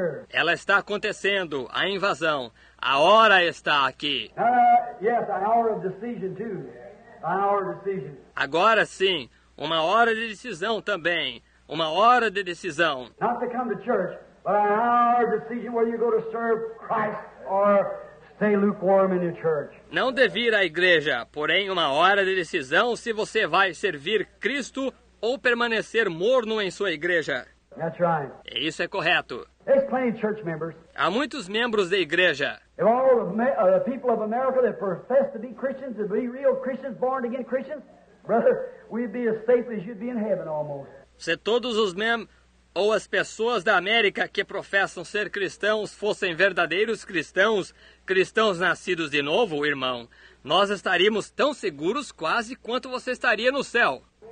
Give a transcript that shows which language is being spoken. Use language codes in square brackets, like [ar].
[pt] Ela está acontecendo, a invasão. A hora está aqui. [en] Yes, a hour of decision too. A hour of decision. [pt] Agora sim, Uma hora de decisão também. Uma hora de decisão. [en] Not to come to church, but an hour decision whether you go to serve Christ or stay lukewarm in your church. [pt] Não de vir à igreja, porém uma hora de decisão se você vai servir Cristo ou permanecer morno em sua igreja. [en] That's right. [pt] E isso é correto. [en] There's plenty of church members. [pt] Há muitos membros da igreja. [en] If all the people of America that profess to be Christians, to be real Christians, born again Christians, brother, we'd be as safe as you'd be in heaven almost. [pt] Se todos os membros ou as pessoas da América que professam ser cristãos fossem verdadeiros cristãos, cristãos nascidos de novo, irmão, nós estaríamos tão seguros quase quanto você estaria no céu.